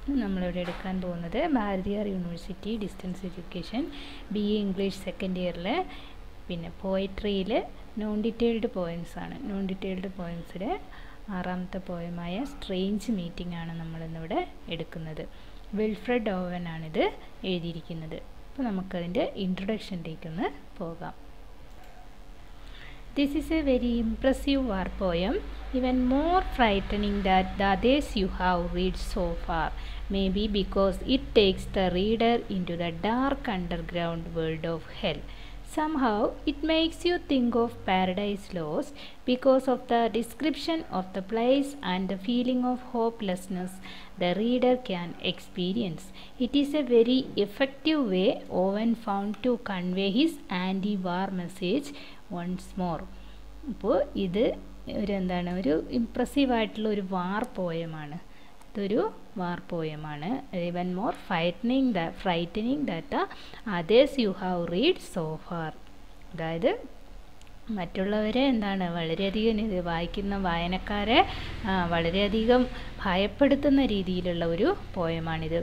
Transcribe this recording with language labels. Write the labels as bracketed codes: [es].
[ml] നമ്മളിവിടെ എടുക്കാൻ പോകുന്നത് Bharathiar university distance education B A English second ഇയറിലെ പിന്നെ പോയട്രിയിൽ നോൺ ഡീറ്റെയിൽഡ് പോയംസാണ്. നോൺ ഡീറ്റെയിൽഡ് പോയംസിലെ ആറാമത്തെ പോയമായ സ്ട്രേഞ്ച് മീറ്റിംഗ് ആണ് നമ്മളിന്നിവിടെ എടുക്കുന്നത്. വിൽഫ്രഡ് ഓവൻ ആണിത് എഴുതിയിരിക്കുന്നത്. അപ്പോൾ നമുക്കതിൻ്റെ ഇൻട്രൊഡക്ഷനിലേക്കൊന്ന് പോകാം. [en] This is a very impressive war poem, even more frightening than the others you have read so far, maybe because it takes the reader into the dark underground world of hell. Somehow it makes you think of Paradise Lost because of the description of the place and the feeling of hopelessness the reader can experience. It is a very effective way Owen found to convey his anti-war message once more. [ml] അപ്പോൾ ഇത് ഒരു എന്താണ് ഒരു impressive ആയിട്ടുള്ള ഒരു വാർ പോയമാണ്. ഇതൊരു വാർ പോയമാണ്. [en] Even more frightening frightening that others you have read so far. [ml] അതായത് മറ്റുള്ളവരെ എന്താണ് വളരെയധികം ഇത് വായിക്കുന്ന വായനക്കാരെ വളരെയധികം ഭയപ്പെടുത്തുന്ന രീതിയിലുള്ള ഒരു പോയമാണിത്.